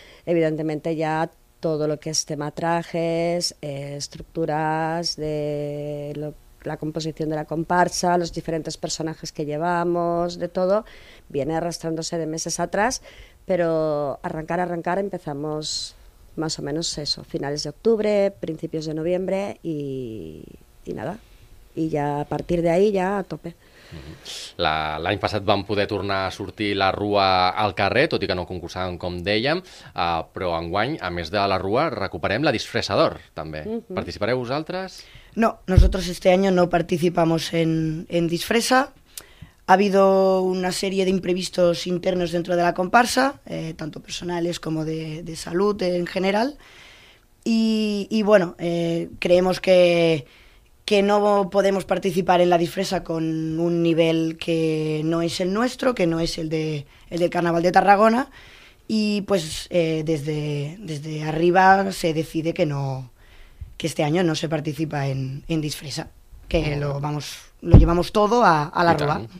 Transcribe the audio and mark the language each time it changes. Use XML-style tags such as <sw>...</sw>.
<es>Evidentemente ya todo lo que es tema trajes, estructuras de la composición de la comparsa, los diferentes personajes que llevamos, de todo, viene arrastrándose de meses atrás, pero arrancar empezamos más o menos eso, finales de octubre, principios de noviembre y nada, y ya a partir de ahí ya a tope.</es> <ca>L'any passat vam poder tornar a sortir la rua al carrer, tot i que no concursàvem, com dèiem, però enguany, a més de la rua, recuperem la disfressa d'or, també. Uh-huh. Participareu vosaltres?</ca> <es>No, nosotros este año no participamos en disfresa. Ha habido una serie de imprevistos internos dentro de la comparsa, tanto personales como de salud en general. Y bueno, creemos que no podemos participar en la disfresa con un nivel que no es el nuestro, que no es el del Carnaval de Tarragona, y pues desde arriba se decide que este año no se participa en disfresa, que lo llevamos todo a la rua.</es>